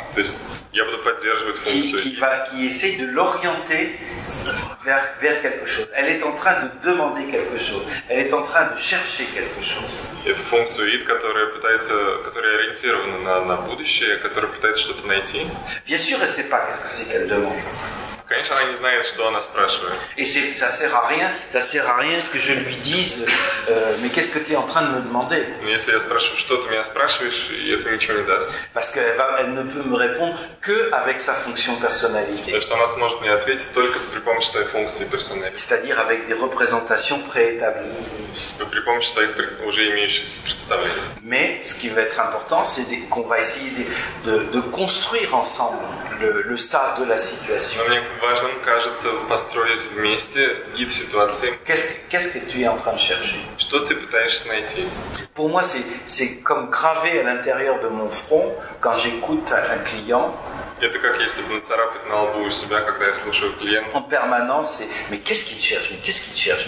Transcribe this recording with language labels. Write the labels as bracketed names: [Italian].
[Russian] То есть я буду поддерживать функцию. [French] Qui essaye de l'orienter vers quelque chose. Elle est en train de demander quelque chose. Elle est en train de chercher quelque chose. [Russian] Это функция it, которая ориентирована на будущее, которая пытается что-то найти. [French] Bien sûr, elle ne sait pas qu'est-ce que c'est qu'elle demande. [Russian] Конечно, она не знает, что она спрашивает. [French] Et c'est, ça sert à rien que je lui dise, mais qu'est-ce que tu es en train de me demander? [Russian] Но если я спрашиваю, что ты меня спрашиваешь, это ничего не даст. [French] Parce qu'elle ne peut me répondre que avec sa fonction personnalité. [Russian] Потому что она сможет мне ответить только при помощи своей функции персоналитета. [French] C'est-à-dire avec des représentations préétablies. [Russian] При помощи своих уже имеющихся представлений. [French] Mais ce qui va être important, c'est qu'on va essayer de construire ensemble le ça de la situation. [Russian] Мне важным кажется построить вместе и в ситуации. [French] Qu'est-ce que tu es en train de chercher? [Russian] Что ты пытаешься найти? [French] Pour moi, c'est comme gravé à l'intérieur de mon front quand j'écoute un client. [Russian] Это как если бы нацарапать на лбу у себя, когда я слушаю клиента. [French] En permanence, c'est mais qu'est-ce qu'il cherche? Mais qu'est-ce qu'il cherche?